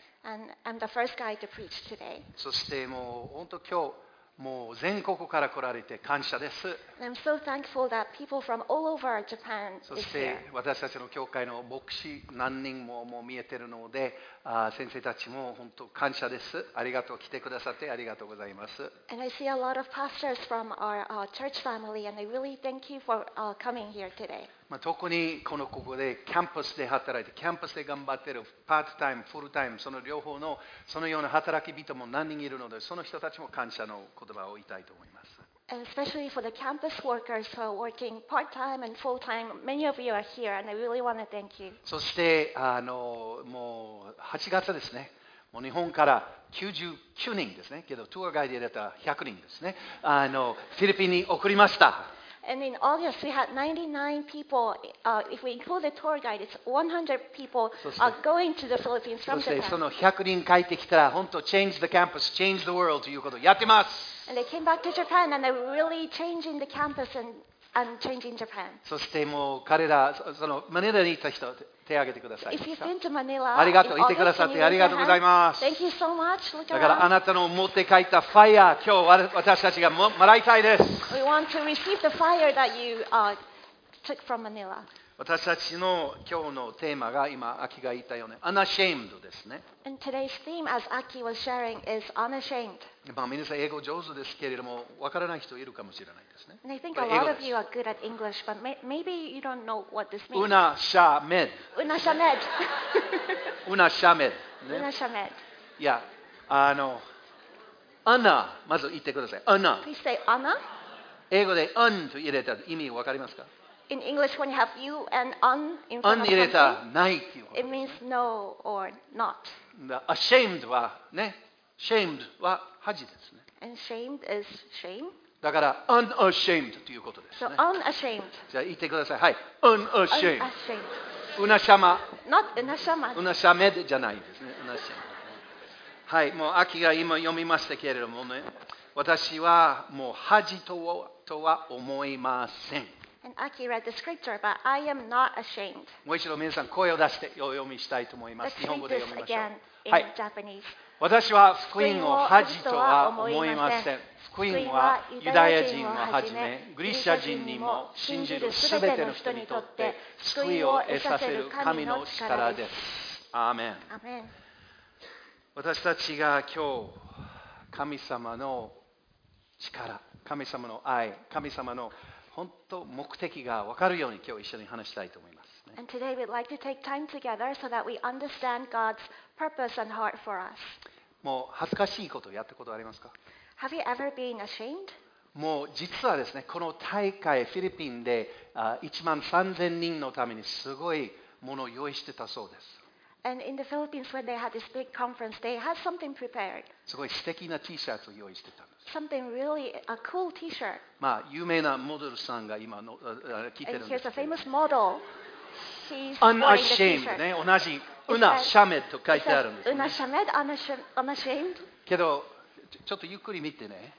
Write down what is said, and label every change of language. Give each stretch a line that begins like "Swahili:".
English: And I'm the first guy to preach today.
Japanese: そしてもう本当今日もう全国から来られて感謝です。
English: I'm so thankful that people from all over Japan is here.
Japanese: そして私たちの教会の牧師何人ももう見えてるので、先生たちも本当感謝です。ありがとう来てくださってありがとうございます。
English: And I see a lot of pastors from our church family, and I really thank you for coming here today.
Japanese: まあ、特にこのここでキャンパスで働いて、キャンパスで頑張ってるパートタイム、フルタイム、その両方のそのような働き人も何人いるので、その人たちも感謝の言葉を言いたいと思います。
English: And especially for the campus workers who are working part-time and full-time, many of you are here, and I really want to thank you.
Japanese: そしてあのもう8月ですね。もう日本から99人ですね。けどツアーガイドで出た100人ですね。あのフィリピンに送りました。
English: And in August we had 99 people. If we include the tour guide, it's 100 people are going to the Philippines from Japan.
Japanese: その100人帰ってきたら、本当
English: change the campus, change the world
Japanese: ということをやってます。
English: And they came back to Japan and they're really changing the campus and changing Japan.
Japanese: そしてもう彼らそのマニラに行った人手を挙げてください。
English: If you've been to Manila,
Japanese: ありがとう、いてくださってありがとうございます。
English: Thank you so much. Look
Japanese: だからあなたの持って帰ったファイヤー、今日私たちが もらいたいです。
English: We want to receive the fire that you took from Manila.
Japanese: 私たちの今日のテーマが今アキが言ったように unashamed ですね。
English: And today's theme, as Aki was sharing, is unashamed.
Japanese: まあ皆さん英語上手ですけれども、わからない人いるかもしれないですね。
English: And I think a lot of you are good at English, but maybe you don't know what this means. Unashamed. Unashamed. Unashamed. Unashamed. Yeah.
Japanese: Anna, まず言ってください。Anna.
English: Please say Anna.
Japanese: 英語で un と入れた意味わかりますか？
English: In English, when you have you and un in front of something, it means no or not.
Japanese: Ashamed はね、shamed は恥ですね。
English: And shamed is shame.
Japanese: だから unashamed ということですね。
English: So unashamed.
Japanese: じゃあ言ってください。はい、unashamed.
English: Unashamed. Unashama. Not unashama.
Japanese: Unashamed じゃないですね。Unashamed. はい、もう秋が今読みましたけれどもね、私はもう恥とは思いません。
English: And Aki read the scripture, but I am not ashamed.
Japanese: もう一度皆さん声を出してお読みしたいと思います。
English: Let's read this again in Japanese.
Japanese: 私は福音を恥とは思いません。福音はユダヤ人をはじめ、グリシャ人にも信じるすべての人にとって救いを得させる神の力です。アーメン。アーメン。私たちが今日、神様の力、神様の愛、神様の本当目的が分かるように今日一緒に話したいと思います、ね。
English: And today we'd like to take time together so that we understand God's purpose and heart for us.
Japanese: もう恥ずかしいことをやったことありますか？
English: Have you ever been ashamed?
Japanese: もう実はですね、この大会フィリピンで1万3000人のためにすごいものを用意してたそうです。
English: And in the Philippines when they had this big conference, they had something prepared.
Japanese: すごい素敵な T シャツを用意してた。
English: Something really a cool T-shirt.
Japanese: まあ有名なモデルさんが今の聞いてるんですけど。
English: And here's a famous model. She's
Japanese: unashamed. ね、同じ unashamed と書いてあるんです、ね。
English: Unashamed, unashamed.
Japanese: けどちょっとゆっくり見てね。